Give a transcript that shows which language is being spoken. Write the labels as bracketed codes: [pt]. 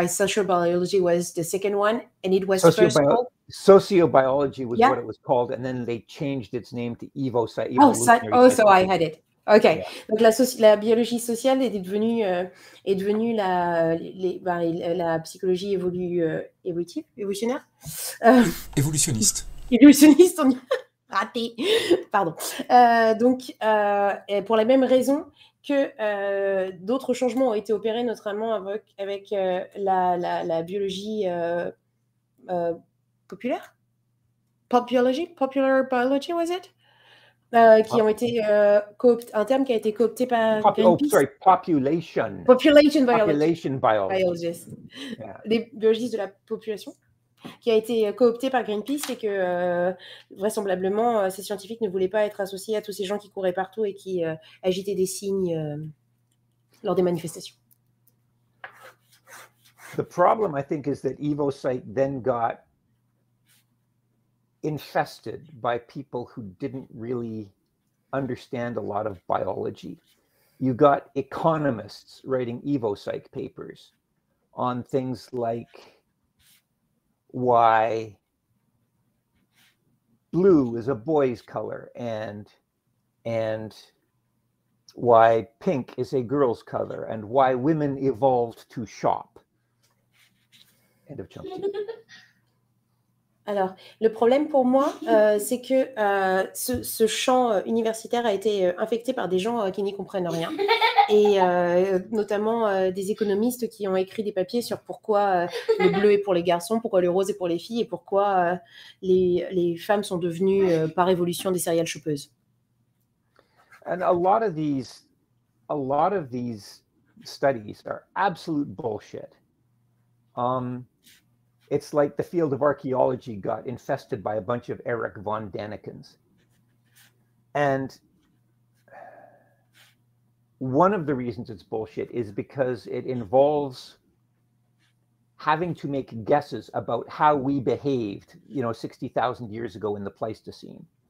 [en] Sociobiology was the second one, and it was first called. Sociobiology was what it was called, and then they changed its name to evo-psych. So I had it. Okay. Yeah. [fr] Donc la biologie sociale est devenue la psychologie évolutionnaire. Évolutionniste. Évolutionniste, on y a raté. Pardon. Pour la même raison que d'autres changements ont été opérés, notamment avec la biologie populaire, [en] popular biology, was it, [fr] qui ont été un terme qui a été coopté par [en] population. Population biology. Population biology. Yeah. [fr] Les biologistes de la population, qui a été coopté par Greenpeace et que vraisemblablement ces scientifiques ne voulaient pas être associés à tous ces gens qui couraient partout et qui agitaient des signes lors des manifestations. [en] The problem, I think, is that evo-psych then got infested by people who didn't really understand a lot of biology. You got economists writing evo-psych papers on things like why blue is a boy's color and why pink is a girl's color and why women evolved to shop. End of chapter. [fr] Alors, le problème pour moi, c'est que ce champ universitaire a été infecté par des gens qui n'y comprennent rien. Et notamment des économistes qui ont écrit des papiers sur pourquoi le bleu est pour les garçons, pourquoi le rose est pour les filles et pourquoi les femmes sont devenues, par évolution, des céréales chopeuses. [en] And a lot of these studies are absolute bullshit. It's like the field of archaeology got infested by a bunch of Eric von Danikens. And one of the reasons it's bullshit is because it involves having to make guesses about how we behaved, 60,000 years ago in the Pleistocene.